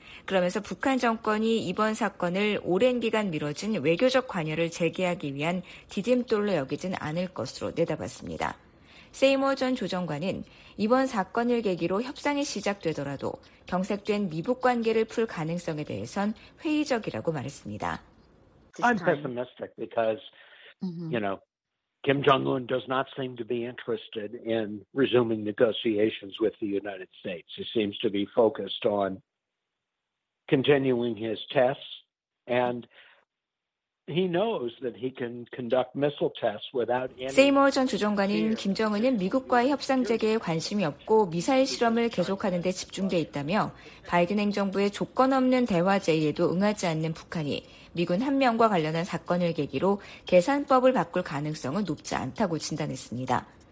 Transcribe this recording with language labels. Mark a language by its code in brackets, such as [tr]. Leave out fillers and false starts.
[ko] 그러면서 북한 정권이 이번 사건을 오랜 기간 미뤄진 외교적 관여를 재개하기 위한 디딤돌로 여기진 않을 것으로 내다봤습니다. 세이머 전 조정관은 이번 사건을 계기로 협상이 시작되더라도 경색된 미북 관계를 풀 가능성에 대해선 회의적이라고 말했습니다. [en] I'm pessimistic because, you know, Kim Jong-un does not seem to be interested in resuming negotiations with the United States. He seems to be focused on continuing his tests, and he knows that he can conduct missile tests without any. [ko] 세이머 전 조정관은 김정은은 미국과의 협상 재개에 관심이 없고 미사일 실험을 계속하는 데 집중돼 있다며 바이든 행정부의 조건 없는 대화 제의에도 응하지 않는 북한이 미군 한 명과 관련한 사건을 계기로 계산법을 바꿀 가능성은 높지 않다고 진단했습니다.